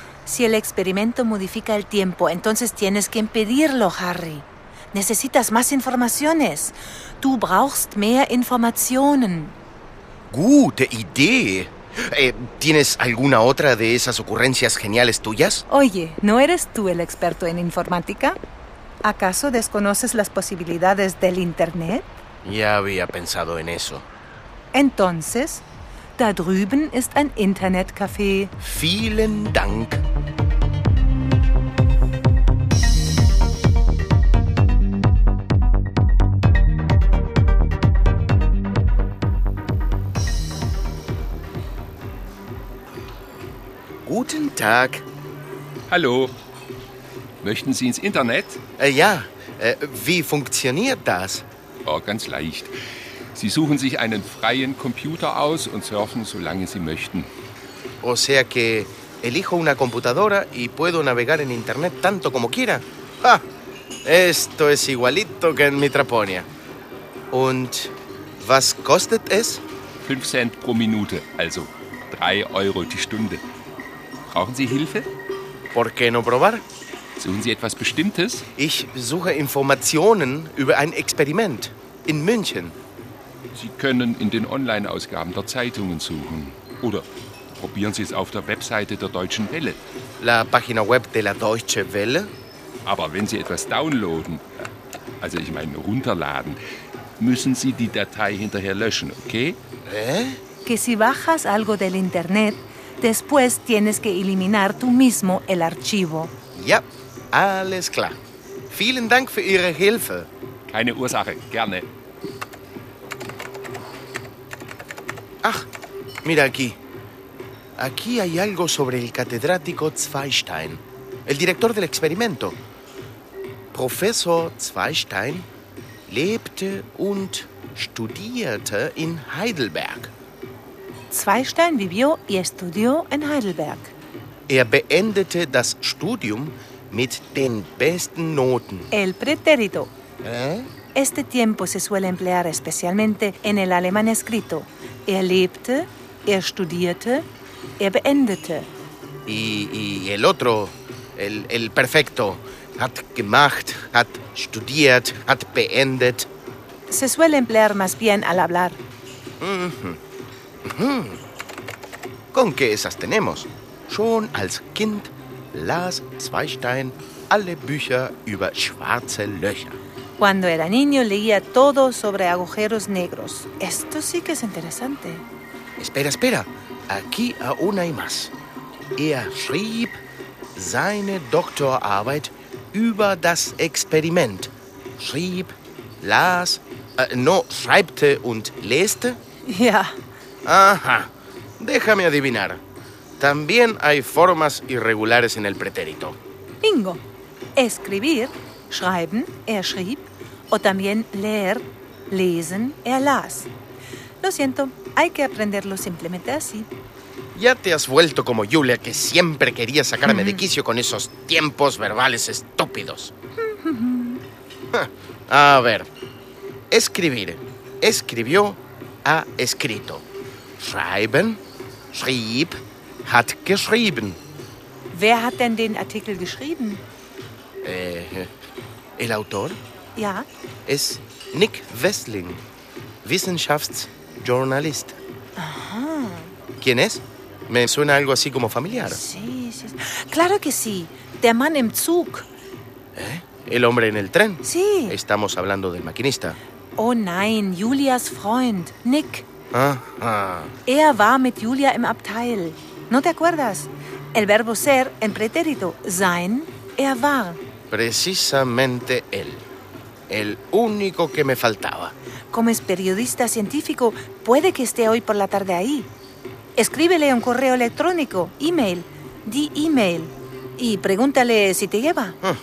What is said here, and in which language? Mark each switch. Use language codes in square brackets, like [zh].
[es] Si el experimento modifica el tiempo, entonces tienes que impedirlo, Harry. Necesitas más informaciones. [de] Du brauchst mehr Informationen. Gute Idee. [es] ¿Tienes alguna otra de esas ocurrencias geniales tuyas? Oye, ¿no eres tú el experto en informática? ¿Acaso desconoces las posibilidades del Internet? Ya había pensado en eso. Entonces, [de] da drüben ist ein Internetcafé. Vielen Dank. Guten Tag. Hallo. Möchten Sie ins Internet? Ja, wie funktioniert das? Oh, ganz leicht. Sie suchen sich einen freien Computer aus und surfen, solange Sie möchten. [es] O sea que elijo una computadora y puedo navegar en Internet tanto como quiera. ¡Ja! Esto es igualito que en Mitraponia. [de] Und was kostet es? 5 Cent pro Minute, also 3 Euro die Stunde. Brauchen Sie Hilfe? [es] ¿Por qué no probar? [de] Suchen Sie etwas Bestimmtes? Ich suche Informationen über ein Experiment in München. Sie können in den Online-Ausgaben der Zeitungen suchen. Oder probieren Sie es auf der Webseite der Deutschen Welle. [es] La página web de la Deutsche Welle? [de] Aber wenn Sie etwas downloaden, also ich meine runterladen, müssen Sie die Datei hinterher löschen, okay? Hä? [es] Que si bajas algo del Internet, después tienes que eliminar tú mismo el archivo. [de] Ja, alles klar. Vielen Dank für Ihre Hilfe. Keine Ursache, gerne. [es] Ach, mira aquí. Aquí hay algo sobre el catedrático Zweistein, el director del experimento. [de] Professor Zweistein lebte und studierte in Heidelberg. [es] Zweistein vivió y estudió en Heidelberg. [de] Er beendete das Studium mit den besten Noten. [es] El pretérito. ¿Eh? Este tiempo se suele emplear especialmente en el alemán escrito. [de] Er lebte, er studierte, er beendete. [es] Y el otro, el perfecto, [de] hat gemacht, hat studiert, hat beendet. [es] Se suele emplear más bien al hablar. Mm-hmm. ¿Con qué esas tenemos? [de] Schon als Kind las Zweistein alle Bücher über schwarze Löcher. [es] Cuando era niño leía todo sobre agujeros negros. Esto sí que es interesante. Espera, espera. Aquí aún hay más. [de] Er schrieb seine Doktorarbeit über das Experiment. Schrieb, las, no, schreibte und leste. Ja. [es] Aha, déjame adivinar. También hay formas irregulares en el pretérito. Bingo. Escribir, [de] schreiben, er schrieb, [es] o también leer, [de] lesen, er las. [es] Lo siento, hay que aprenderlo simplemente así. Ya te has vuelto como Julia, que siempre quería sacarme de quicio con esos tiempos verbales estúpidos. A ver, escribir, escribió, ha escrito. [de] Schreiben, schrieb, hat geschrieben. Wer hat denn den Artikel geschrieben? [es] El autor? [de] Ja. Es Nick Westling, Wissenschaftsjournalist. Aha. [es] ¿Quién es? Me suena algo así como familiar. Sí, sí. Claro que sí. [de] Der Mann im Zug. [es] ¿Eh? ¿El hombre en el tren? Sí. Estamos hablando del maquinista. [de] Oh, nein. Julias Freund, Nick. Ah. Er war mit Julia im Abteil. [es] ¿No te acuerdas? El verbo ser en pretérito. [de] Sein, er war. [es] Precisamente él. El único que me faltaba. Como es periodista científico, puede que esté hoy por la tarde ahí. Escríbele un correo electrónico, email, di email, y pregúntale si te lleva.